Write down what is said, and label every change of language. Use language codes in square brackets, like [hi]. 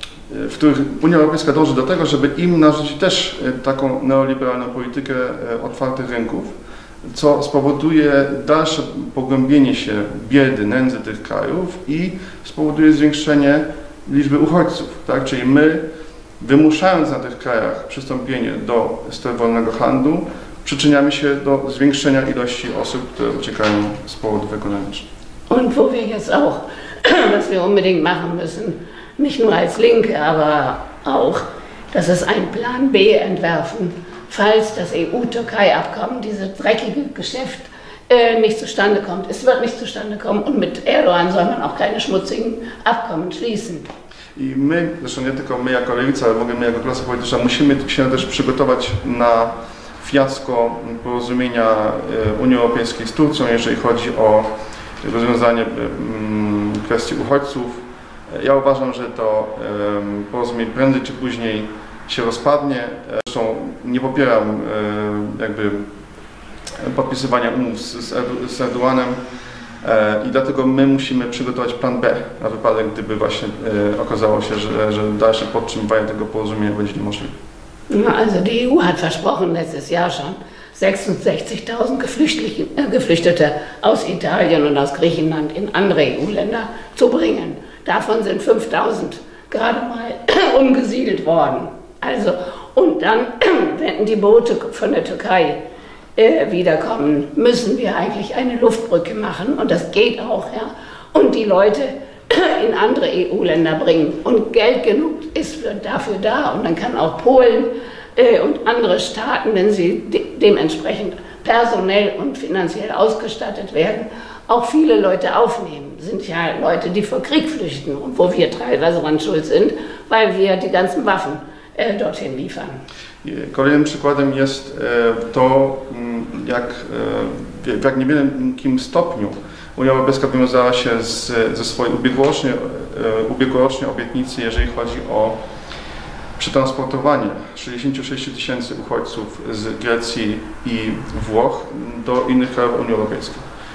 [pl] w których Unia Europejska dąży do tego, żeby im narzucić też taką neoliberalną politykę otwartych rynków, co spowoduje dalsze pogłębienie się biedy, nędzy tych krajów i spowoduje zwiększenie liczby uchodźców. Tak? Czyli my, wymuszając na tych krajach przystąpienie do stref wolnego handlu, przyczyniamy się do zwiększenia ilości osób, które uciekają z powodów ekonomicznych. [de] Und wo wir jetzt auch, was wir unbedingt machen müssen, nicht nur als Linke, aber auch, dass es einen Plan B entwerfen, falls das EU-Türkei-Abkommen, dieses dreckige Geschäft, nicht zustande kommt. Es wird nicht zustande kommen und mit Erdogan soll man auch keine schmutzigen Abkommen schließen. [pl] I my, zresztą nie tylko my jako Lewica, ale w ogóle my jako klasa polityczna, musimy się też przygotować na fiasko porozumienia Unii Europejskiej z Turcją, jeżeli chodzi o rozwiązanie kwestii uchodźców. Ja uważam, że to porozumienie prędzej czy później się rozpadnie. Zresztą nie popieram jakby podpisywania umów z Erdoganem i dlatego my musimy przygotować plan B na wypadek, gdyby właśnie okazało się, że dalsze podtrzymywanie tego porozumienia będzie niemożliwe. [de] No, also die EU hat versprochen letztes Jahr schon 66.000 Geflüchtete aus Italien und aus Griechenland in andere EU-Länder zu bringen. Davon sind 5.000 gerade mal umgesiedelt worden. Also, und dann, wenn die Boote von der Türkei wiederkommen, müssen wir eigentlich eine Luftbrücke machen. Und das geht auch, ja. Und die Leute in andere EU-Länder bringen. Und Geld genug ist dafür da. Und dann kann auch Polen und andere Staaten, wenn sie dementsprechend personell und finanziell ausgestattet werden, auch viele Leute aufnehmen. Das sind ja Leute, die vor Krieg flüchten und wo wir teilweise dran schuld sind, weil wir die ganzen Waffen dorthin liefern. [pl] Kolejnym przykładem jest to, jak w jak niewielkim stopniu Unia Europejska wywiązała się ze swojej ubiegłorocznej obietnicy, jeżeli chodzi o przetransportowanie 66 tysięcy uchodźców z Grecji i Włoch do innych krajów Unii Europejskiej.